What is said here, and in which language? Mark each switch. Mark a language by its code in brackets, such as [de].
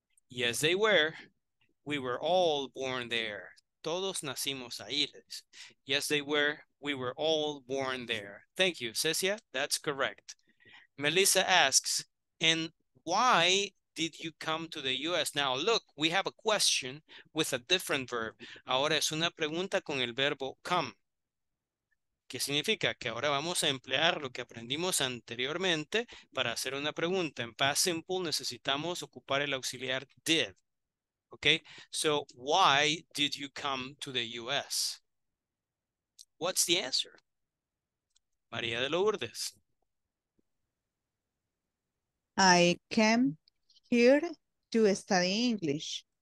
[en] Yes, they were. We were all born there. [es] Todos nacimos ahí. [en] Yes, they were. We were all born there. Thank you, Cecia. That's correct. Melissa asks, and why did you come to the U.S.? Now, look, we have a question with a different verb. [es] Ahora es una pregunta con el verbo come. ¿Qué significa? Que ahora vamos a emplear lo que aprendimos anteriormente para hacer una pregunta. En past simple necesitamos ocupar el auxiliar did. [en] Okay, so why did you come to the U.S.? What's the answer? María de Lourdes. I came here to study English.